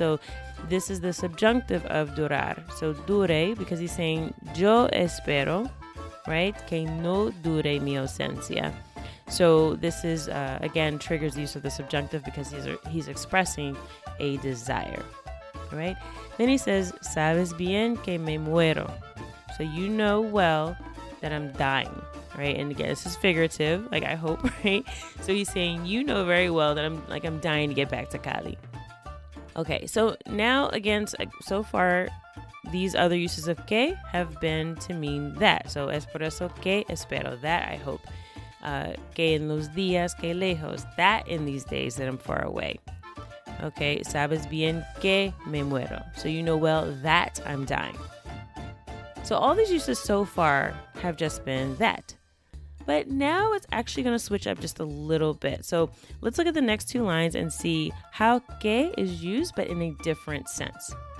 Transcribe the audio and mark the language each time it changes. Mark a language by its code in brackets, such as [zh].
[en] So this is the subjunctive of durar. So dure, because he's saying, [es] yo espero, [en] right? [es] Que no dure mi ausencia. [en] So this is, again, triggers the use of the subjunctive because he's expressing a desire, right? [es] Then he says, sabes bien que me muero. [en] So you know well that I'm dying, right? And again, this is figurative, like I hope, right? So he's saying, you know very well that I'm dying to get back to Cali. Okay, so now, again, so far, these other uses of que have been to mean that. So, [es] es por eso que espero, [en] that I hope. [es] Que en los días que lejos, [en] that in these days that I'm far away. [es] Okay, sabes bien que me muero. [en] So you know well that I'm dying. So all these uses so far have just been that. But now it's actually going to switch up just a little bit. So let's look at the next two lines and see how que is used, but in a different sense.